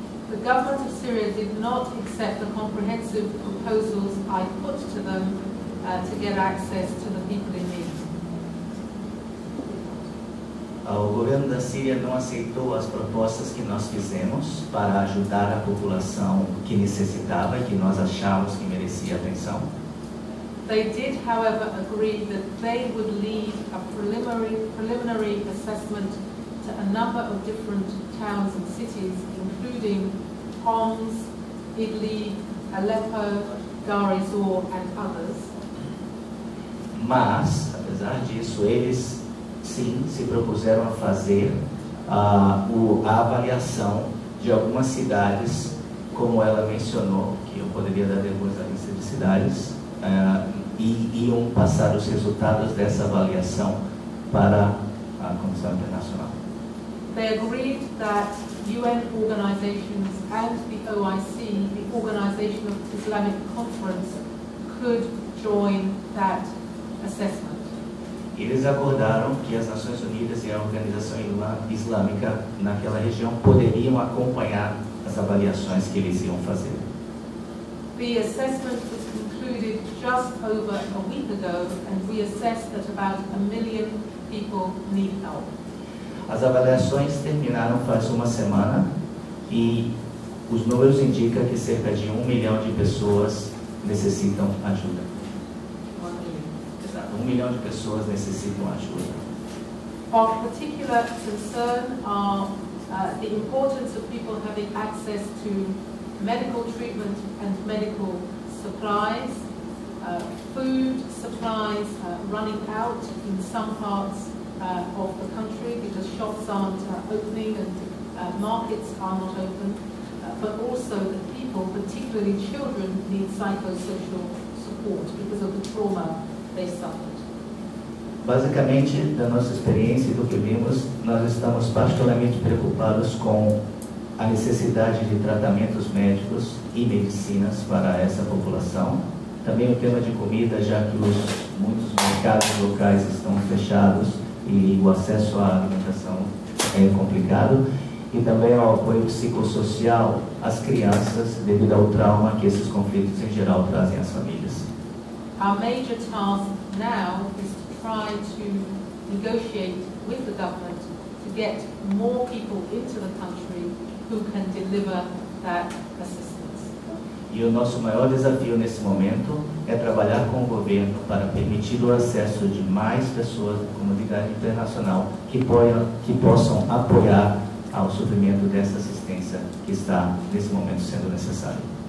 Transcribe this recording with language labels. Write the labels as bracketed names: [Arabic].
[English] The government of Syria did not accept the comprehensive proposals I put to them to get access to the people in need. [Portuguese] O governo da Síria não aceitou as propostas que nós fizemos para ajudar a população que necessitava e que nós achávamos que merecia atenção. [English] They did, however, agree that they would leave a preliminary assessment to a number of different towns and cities, including Homs, Idlib, Aleppo, Dar ez-Zor, and others. [Portuguese] Mas, apesar disso, eles sim, se propuseram a fazer a avaliação de algumas cidades, como ela mencionou, que eu poderia dar depois a lista de cidades, e iam passar os resultados dessa avaliação para a Comissão Internacional. [English] They agreed that UN organizations and the OIC, the Organization of Islamic Conference, could join that assessment. [Portuguese] Eles acordaram que as Nações Unidas e a Organização Islâmica naquela região poderiam acompanhar as avaliações que eles iam fazer. [English] The assessment was concluded just over a week ago, and we assessed that about 1 million people need help. [Portuguese] As avaliações terminaram faz uma semana, e os números indicam que cerca de 1 milhão de pessoas necessitam ajuda. 1 milhão de pessoas necessitam ajuda. [English] Of particular concern are the importance of people having access to medical treatment and medical supplies, food supplies running out in some parts of the country because shops aren't opening and markets are not open, but also that people, particularly children, need psychosocial support because of the trauma they suffered. [Portuguese] Basicamente, da nossa experiência e do que vimos, nós estamos particularmente preocupados com a necessidade de tratamentos médicos e medicinas para essa população. Também o tema de comida, já que muitos mercados locais estão fechados e o acesso à alimentação é complicado. E também o apoio psicossocial às crianças, devido ao trauma que esses conflitos em geral trazem às famílias. [English] Our major task now is to try to negotiate with the government to get more people into the country who can deliver that assistance. [Portuguese] E o nosso maior desafio nesse momento é trabalhar com o governo para permitir o acesso de mais pessoas da comunidade internacional que possam apoiar ao suprimento dessa assistência que está nesse momento sendo necessário.